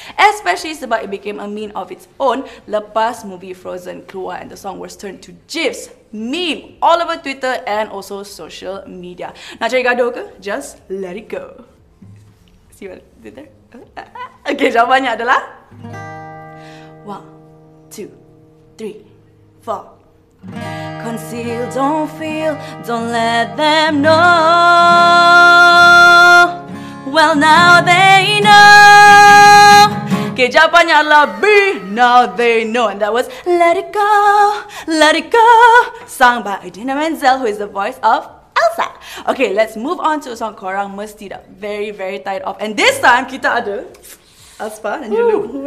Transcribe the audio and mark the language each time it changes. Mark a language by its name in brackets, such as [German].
[English] Especially sebab it became a meme of its own [Malay] lepas movie Frozen keluar [English] and the song was turned to GIFs, meme, all over Twitter and also social media. [Malay] Nak cari gaduh ke? [English] Just let it go. See what did there? [Malay] Okay, jawapannya adalah 1, 2, 3, 4. [English] Conceal, don't feel, don't let them know. Well, now they know. [Malay] Okay, jawapannya adalah B, [English] now they know. And that was Let It Go, sung by Idina Menzel, who is the voice of Elsa. Okay, let's move on to a song [Malay] korang mesti dah [English] very, very tired of. And this time, [Malay] kita ada [English] Aspa and Julu.